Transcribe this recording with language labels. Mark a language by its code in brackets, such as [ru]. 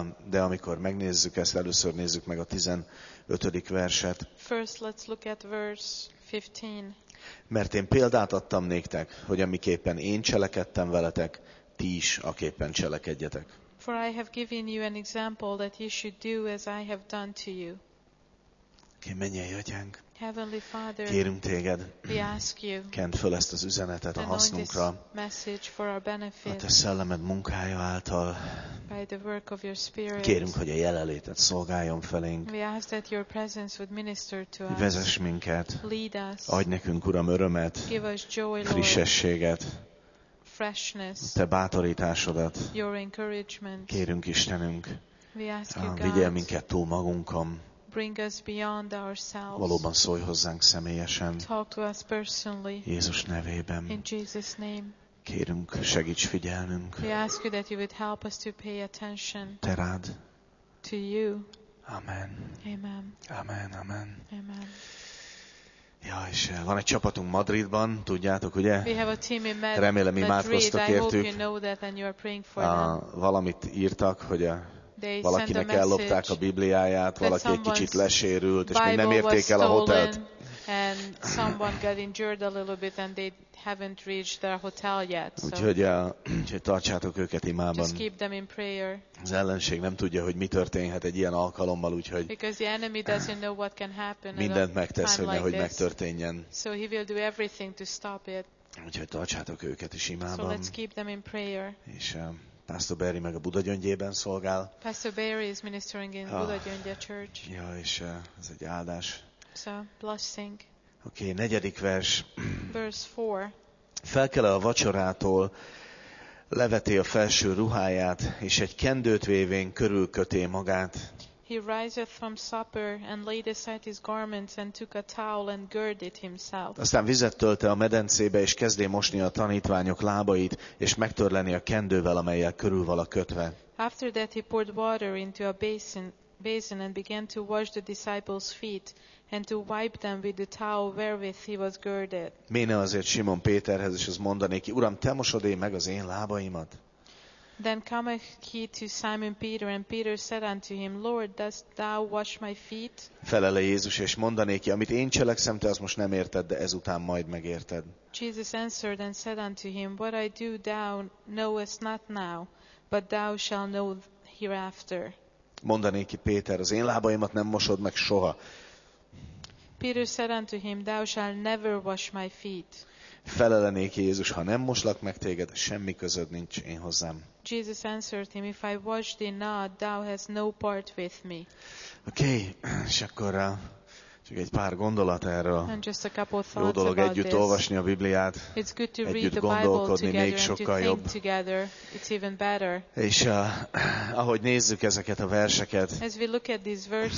[hu] De amikor megnézzük ezt, először nézzük meg a 15. verset. [en] First let's look at verse 15. [hu] Mert én példát adtam néktek, hogy amiképpen én cselekedtem veletek, ti is aképpen cselekedjetek. [en] For I have given you an example that you should do as I have done to you. [hu] Okay, mennyei atyánk, [en] Heavenly Father, [hu] kérünk téged, [en] we ask you, [hu] kent föl ezt az üzenetet a hasznunkra, [en] benefit, [hu] a te szellemed munkája által, [en] by the work of your spirit, [hu] kérünk, hogy a jelenlétet szolgáljon felénk, [en] we ask that your presence would minister to us, [hu] vezess minket, [en] lead us, [hu] adj nekünk, Uram, örömet, [en] give us joy, Lord, [hu] frissességet, [en] freshness, [hu] te bátorításodat, [en] your encouragement, [hu] kérünk, Istenünk, [en] we ask you, God, [hu] vigyél minket túl magunkon, [en] bring us beyond ourselves. [hu] Valóban szólj hozzánk személyesen. [en] Talk to us personally. [hu] Jézus nevében. [en] In Jesus name. [hu] Kérünk, segíts figyelnünk. [en] We ask you that you would help us to pay attention. [hu] Te rád. [en] To you. Amen. Amen. Amen. Amen. Amen. [hu] Ja, és van egy csapatunk Madridban, tudjátok, ugye? [en] We have a team in Madrid. [hu] Remélem, imádkoztok értük. [en] I hope you know that and you are praying for them. [hu] Valamit írtak, hogy a valakinek a ellopták a Bibliáját, valaki egy kicsit lesérült, és még nem érték el a hotelt. [en] And someone got injured a little bit and they haven't reached their hotel yet. [hu] Úgyhogy tartsátok őket imában. [en] Just keep them in prayer. [hu] Az ellenség nem tudja, hogy mi történhet egy ilyen alkalommal, úgyhogy [en] because the enemy doesn't know what can happen. [hu] Mindent megtesz, hogy nehogy megtörténjen. [en] So he will do everything to stop it. [hu] Úgyhogy tartsátok őket is imában. [en] So let's keep them in prayer. [hu] És Pastor Barry meg a Budagyöngyében szolgál. [en] Pastor Barry is ministering in Budagyöngye Church. [hu] Ja, és ez egy áldás. [en] So, blessing. [hu] Okay, negyedik vers. [en] Verse 4. [hu] Felkele a vacsorától, leveti a felső ruháját, és egy kendőt vévén körülköté magát. [en] He riseth from supper and laid aside his garments and took a towel and girded himself. [hu] Aztán vizet tölte a medencébe és kezdé mosni a tanítványok lábait és megtörleni a kendővel, amellyel körül vala kötve. [en] After that he poured water into a basin and began to wash the disciples' feet and to wipe them with the towel wherewith he was girded. [hu] Méne azért Simon Péterhez és az mondané ki, Uram, te mosod én meg az én lábaimat? [en] Then cometh he to Simon Peter, and Peter said unto him, Lord, dost thou wash my feet? [hu] Felele Jézus, és mondané ki, amit én cselekszem, te azt most nem érted, de ezután majd megérted. [en] Jesus answered and said unto him, what I do thou knowest not now, but thou shalt know hereafter. [hu] Mondané ki Péter, az én lábaimat nem mosod meg soha. [en] Peter said unto him, thou shalt never wash my feet. [hu] Felelenék Jézus, ha nem moslak meg téged, semmi közöd nincs én hozzám. [en] Jesus answered him, if I wash thee not, thou hast no part with me. [hu] Okay, és akkor csak egy pár gondolat erről. [en] And just a couple of thoughts [hu] jó dolog [en] about [hu] együtt [en] this. [hu] Olvasni a Bibliát, [en] it's good to [hu] együtt [en] read the [hu] gondolkodni, [en] Bible together [hu] még sokkal [en] and to think [hu] jobb. [en] Together, it's even better. [hu] És ahogy nézzük ezeket a verseket, [en] as we look at these verses,